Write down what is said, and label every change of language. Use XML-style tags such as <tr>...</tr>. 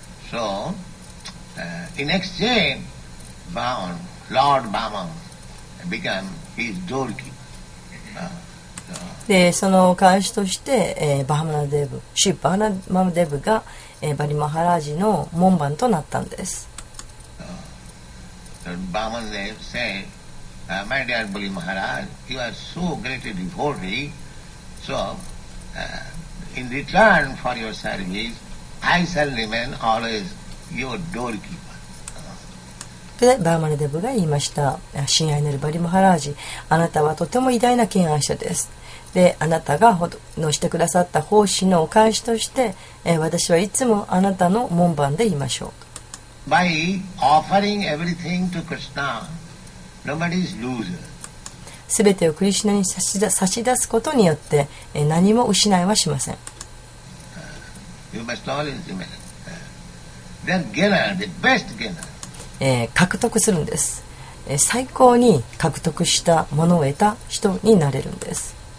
<en>So, in exchange, Bhavan, Lord Bhavan, became his doorkeeper.</en> <ja>でその返しとして、バハマナデブ、シュバハマナデブが、バリマハラージの門番となったんです。</ja> <en>バハマナデブ said, My dear Bali Maharaj, you are so great a devotee, so in return for your service, I shall remain always your doorkeeper.</en> <ja>でバーマナデブが言いました。親愛なるバリマハラージ、あなたはとても偉大な敬愛者です。であなたがのしてくださった奉仕のお返しとして、私はいつもあなたの門番で言いましょう。</ja> <en>By offering everything to Krishna, nobody is loser.</en> <ja>全てをクリシュナに差し出すことによって、何も失いはしません。</ja> <en>You must always remember the gainer, the best gainer.</en> <ja>獲得するんです、最高に獲得したものを得た人になれるんです。</ja>